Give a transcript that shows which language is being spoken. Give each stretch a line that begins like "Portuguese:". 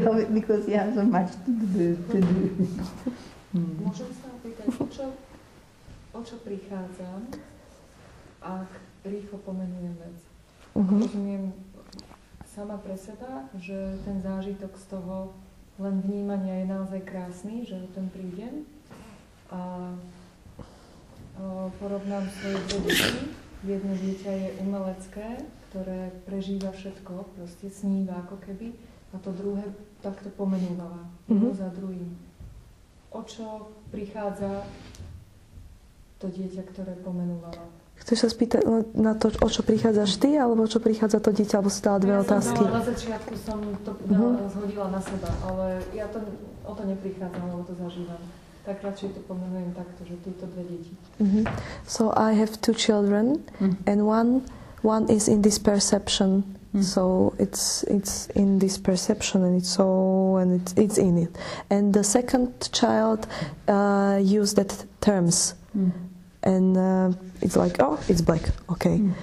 English: Because we have so much to do.
Slovak: Môžem sa opýtať, o čo prichádzam, ak rýchlo pomenujem vec. Uh-huh. Rozumiem sama pre seba, že ten zážitok z toho len vnímania je naozaj krásny, že o tom prídem. A porovnám svoje dve deti. Jedno dieťa je umelecké, ktoré prežíva všetko, proste sníva ako keby. A to druhé takto pomenovala, jedno uh-huh. za druhým. O čo prichádza to dieťa, ktoré pomenovala? Chceš sa spýtať na to, o čo prichádzaš ty, alebo o čo prichádza to dieťa, alebo si dala dve otázky? Ja som dala, na začiatku som to zhodila na seba, ale ja to, o to neprichádzam, lebo to zažívam. Tak radšej to pomenujem takto, že tieto dve deti. Mm-hmm.
English: So I have two children and one is in this perception. So it's in this perception and it's so and it's in it. And the second child used that terms and it's like, oh, it's black, okay.